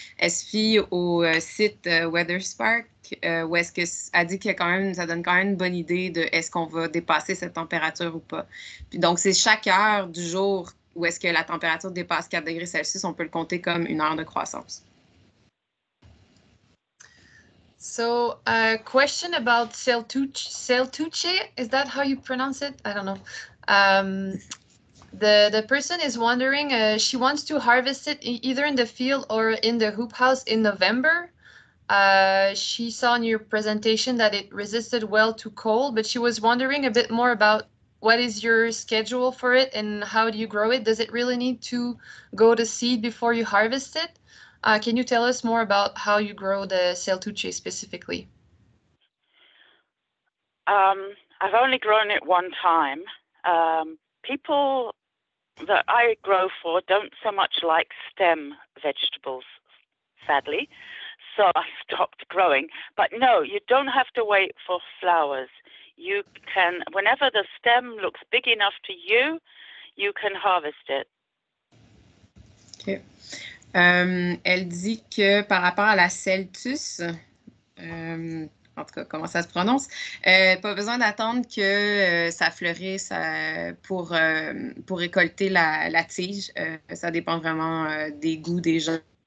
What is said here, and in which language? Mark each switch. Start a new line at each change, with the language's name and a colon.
French: Elle se fie au site Weather Spark. Où est-ce que a dit que quand même, ça donne quand même une bonne idée de est-ce qu'on va dépasser cette température ou pas. Puis donc, c'est chaque heure du jour où est-ce que la température dépasse 4 degrés Celsius, on peut le compter comme une heure de croissance.
English: So, a question about celtuche, is that how you pronounce it? I don't know. The person is wondering, she wants to harvest it either in the field or in the hoop house in November. She saw in your presentation that it resisted well to cold, but she was wondering a bit more about what is your schedule for it and how do you grow it? Does it really need to go to seed before you harvest it? Can you tell us more about how you grow the celtuche specifically? I've only grown it one time. People that I grow for don't so much like stem vegetables, sadly. So I stopped growing. But no, you don't have to wait for flowers. You can, whenever the stem looks big enough to you, you can harvest it. OK.
French: Elle dit que par rapport à la celtus, en tout cas, comment ça se prononce, pas besoin d'attendre que ça fleurisse pour récolter la tige. Ça dépend vraiment des goûts des gens.